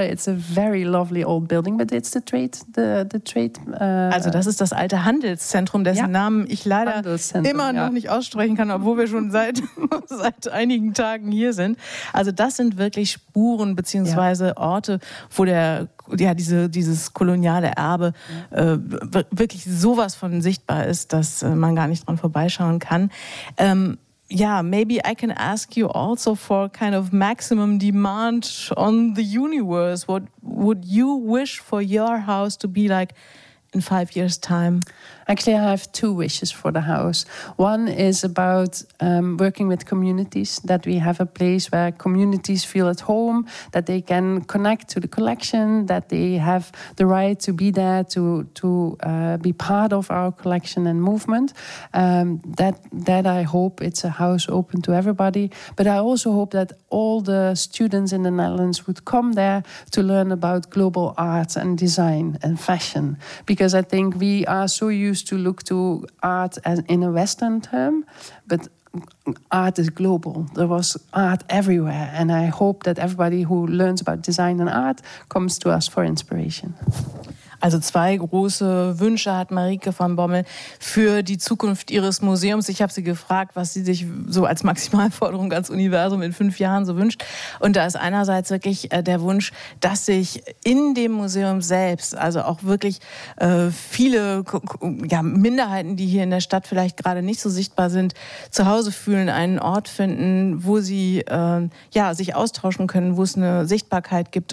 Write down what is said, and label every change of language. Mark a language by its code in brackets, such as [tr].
[en] It's a very lovely old building, but it's the trade. [de] Also das ist das alte Handelszentrum, dessen Namen ich leider immer noch nicht aussprechen kann, obwohl wir schon seit einigen Tagen hier sind. Also das sind wirklich Spuren bzw. Orte, wo dieses koloniale Erbe wirklich sowas von sichtbar ist, dass man gar nicht dran vorbeischauen kann. [en] Maybe I can ask you also for kind of maximum demand on the universe. What would you wish for your house to be like in 5 years' time? Actually, I have two wishes for the house. One is about working with communities, that we have a place where communities feel at home, that they can connect to the collection, that they have the right to be there, to be part of our collection and movement. That I hope it's a house open to everybody. But I also hope that all the students in the Netherlands would come there to learn about global art and design and fashion. Because I think we are so used to look to art as in a Western term, but art is global. There was art everywhere, and I hope that everybody who learns about design and art comes to us for inspiration. [de] Also zwei große Wünsche hat Marieke von Bommel für die Zukunft ihres Museums. Ich habe sie gefragt, was sie sich so als Maximalforderung ans Universum in 5 Jahren so wünscht. Und da ist einerseits wirklich der Wunsch, dass sich in dem Museum selbst, also auch wirklich viele Minderheiten, die hier in der Stadt vielleicht gerade nicht so sichtbar sind, zu Hause fühlen, einen Ort finden, wo sie sich austauschen können, wo es eine Sichtbarkeit gibt.